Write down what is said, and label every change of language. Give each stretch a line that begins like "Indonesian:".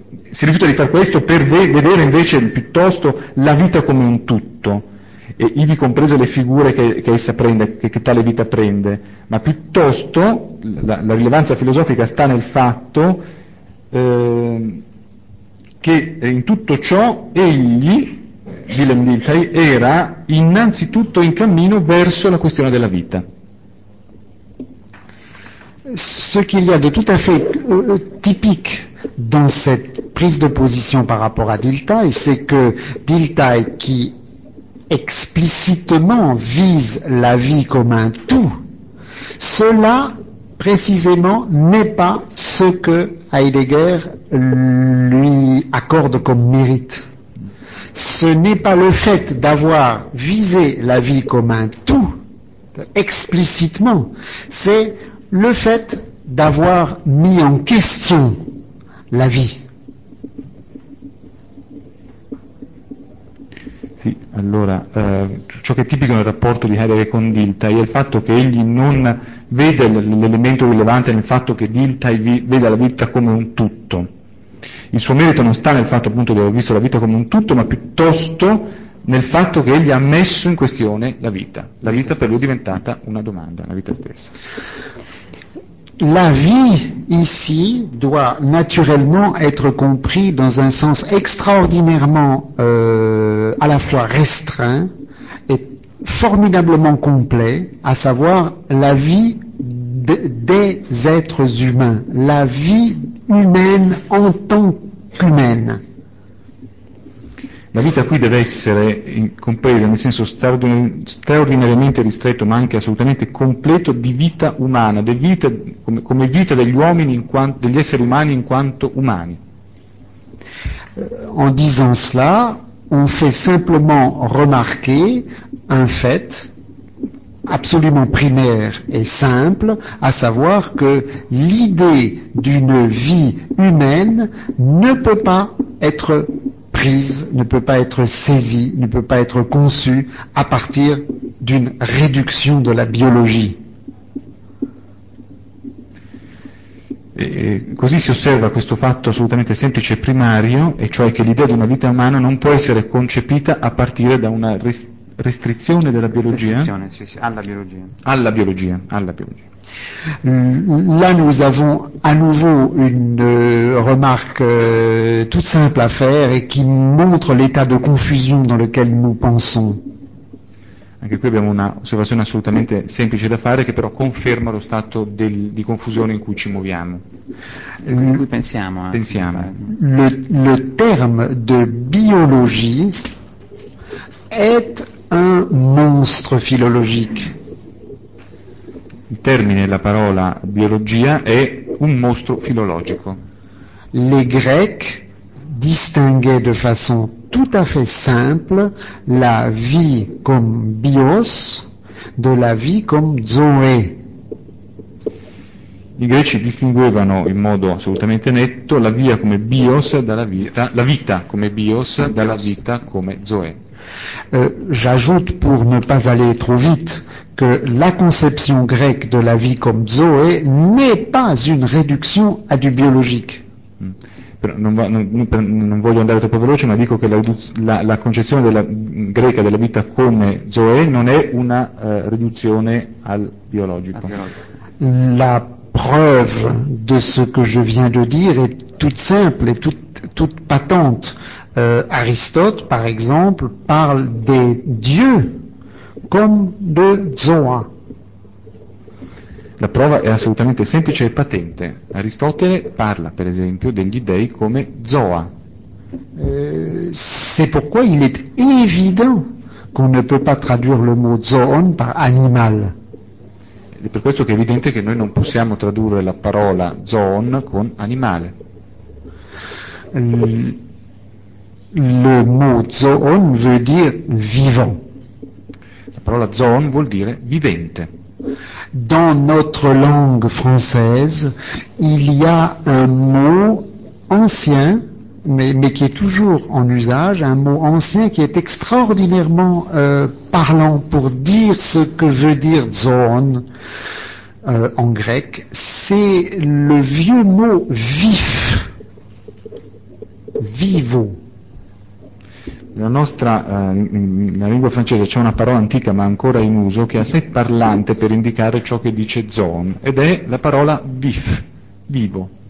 Italian: si rifiuta di fare questo per vedere invece piuttosto la vita come un tutto, e ivi comprese le figure che essa prende, che tale vita prende, ma piuttosto la rilevanza filosofica sta nel fatto che in tutto ciò egli, Willem Dilthey, era innanzitutto in cammino verso la questione della vita.
French: Ce qu'il y a de tout à fait typique dans cette prise de position par rapport à Dilthey, c'est que Dilthey, qui explicitement vise la vie comme un tout, cela précisément n'est pas ce que Heidegger lui accorde comme mérite. Ce n'est pas le fait d'avoir visé la vie comme un tout, explicitement, c'est le fait d'avoir mis en question la vie.
Italian: Sì, allora, ciò che è tipico nel rapporto di Heidegger con Dilthey è il fatto che egli non vede l'elemento rilevante nel fatto che Dilthey veda la vita come un tutto. Il suo merito non sta nel fatto appunto di aver visto la vita come un tutto, ma piuttosto nel fatto che egli ha messo in questione la vita. La vita per lui è diventata una domanda, la vita stessa.
French: La vie ici doit naturellement être compris dans un sens extraordinairement à la fois restreint et formidablement complet, à savoir la vie des êtres humains, la vie humaine en tant qu'humaine.
Italian: La vita qui deve essere compresa nel senso straordinariamente ristretto, ma anche assolutamente completo, di vita umana, di vita, come vita degli uomini, degli esseri umani in quanto umani.
French: En disant cela, on fait simplement remarquer un fait absolument primaire et simple, à savoir que l'idée d'une vie humaine ne peut pas être prise, ne peut pas être saisie, ne peut pas être conçue à partir d'une réduction de la biologie.
Italian: Et così si osserva questo fatto assolutamente semplice e primario, e cioè che l'idea di una vita umana non può essere concepita a partire da una restrizione della biologia. Restrizione, sì, alla biologia. Alla biologia, alla biologia.
French: Là, nous avons à nouveau une remarque toute simple à faire et qui montre l'état de confusion dans lequel nous pensons.
Italian: Anche qui abbiamo una osservazione assolutamente semplice da fare, che però conferma lo stato di confusione in cui ci muoviamo. In cui pensiamo. Pensiamo.
French: Le terme de biologie est un monstre philologique.
Italian: Il termine, la parola biologia, è un mostro filologico.
French: Les Grecs distinguaient de façon tout à fait simple la vie comme bios de la vie comme zoé.
Italian: I greci distinguevano in modo assolutamente netto la via come bios dalla vita, la vita come bios dalla vita come zoé.
French: J'ajoute pour ne pas aller trop vite que la conception grecque de la vie comme zoé n'est pas une réduction à du biologique.
Italian: Non voglio andare troppo veloce, ma dico che la concezione della greca della vita come zoé non è una riduzione al biologico.
French: La preuve de ce que je viens de dire est toute simple et toute patente. Aristote, par exemple, parle des dieux comme de Zoa.
Italian: La prova è assolutamente semplice e patente. Aristotele parla, per esempio, degli dèi come Zoa.
French: C'est pourquoi il est évident qu'on ne peut pas traduire le mot zoon par animal.
Italian: Ed è per questo che è evidente che noi non possiamo tradurre la parola zoon con animale.
French: Le mot zoon veut dire vivant.
Italian: parola zoon vuol dire vivente.
French: Dans notre langue française, il y a un mot ancien, mais qui est toujours en usage, un mot ancien qui est extraordinairement parlant pour dire ce que veut dire zoon en grec. C'est le vieux mot vif, vivo.
Italian: La nostra, nella lingua francese c'è una parola antica ma ancora in uso che ha sé parlante per indicare ciò che dice zoon, ed è la parola vif, vivo.